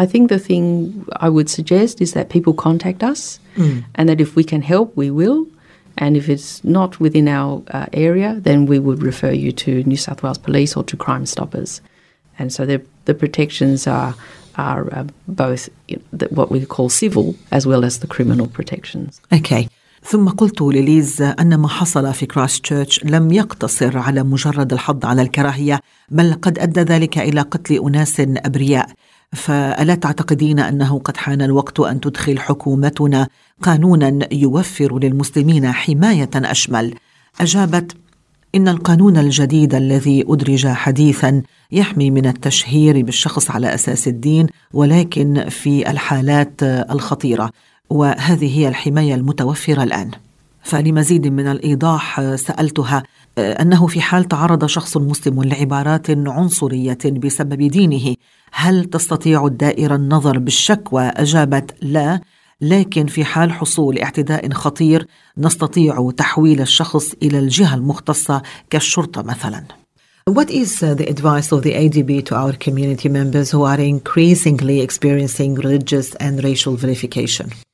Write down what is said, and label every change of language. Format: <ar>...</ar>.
<en>I think the thing I would suggest is that people contact us and that if we can help, we will. And if it's not within our area, then we would refer you to New South Wales Police or to Crime Stoppers. And so the protections are both what we call civil as well as the criminal protections. Okay.</en> <ar>ثم قلت لليز أن ما حصل في كرايستشيرش لم يقتصر على مجرد الحض على الكراهية، بل قد أدى ذلك إلى قتل أناس أبرياء. فألا تعتقدين أنه قد حان الوقت أن تدخل حكومتنا قانونا يوفر للمسلمين حماية أشمل؟ أجابت: إن القانون الجديد الذي أدرج حديثا يحمي من التشهير بالشخص على أساس الدين، ولكن في الحالات الخطيرة، وهذه هي الحماية المتوفرة الآن. فلمزيد من الإيضاح سألتها أنه في حال تعرض شخص مسلم لعبارات عنصرية بسبب دينه، هل تستطيع الدائرة النظر بالشكوى؟ أجابت: لا، لكن في حال حصول اعتداء خطير نستطيع تحويل الشخص إلى الجهة المختصة كالشرطة مثلا.</ar> <en>What is the advice of the ADB to our community members who are increasingly experiencing religious and racial vilification?</en>